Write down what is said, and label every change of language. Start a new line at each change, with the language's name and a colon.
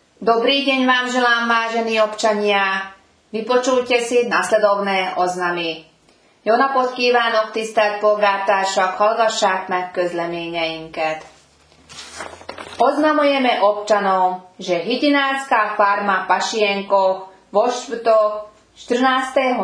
Slovak: Dobrý deň vám želám, vážení občania. Vypočujte si nasledovné oznamy.
Hungarian: Jó napot kívánok, tisztelt polgártársak, hallgassák meg közleményeinket.
Slovak: Oznamujeme občanom, že Hydinárska farma Pašienko vo štvrtok 14.